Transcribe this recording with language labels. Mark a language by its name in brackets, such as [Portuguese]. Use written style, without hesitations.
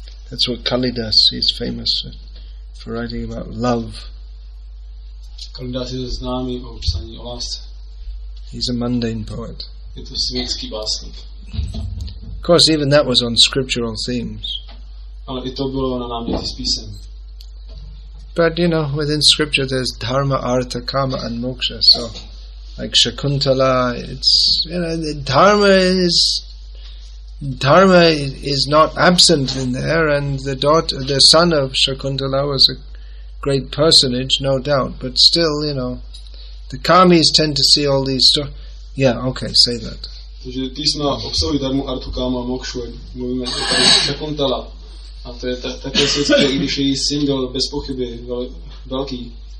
[English] That's what Kalidas is famous for writing about love. [Czech] Kalidas je známý po psaní o lásce. [English] He's a mundane poet. [Czech] Je to světský básník. [English] Of course, even that was on scriptural themes. [Czech] Ale i to bylo na námětí z písem. [English] But you know, within scripture there's dharma, artha, kama and moksha. So like Shakuntala, dharma is not absent in there, and the son of Shakuntala was a great personage, no doubt, but still, you know, the kamis tend to see all these stories. Yeah, okay, say that. [Czech] Takže písma obsahují dharmu, artu, kama, mokšu, mluvíme o tady Shakuntala. A to je také světské, i když její syn byl bez pochyby velký.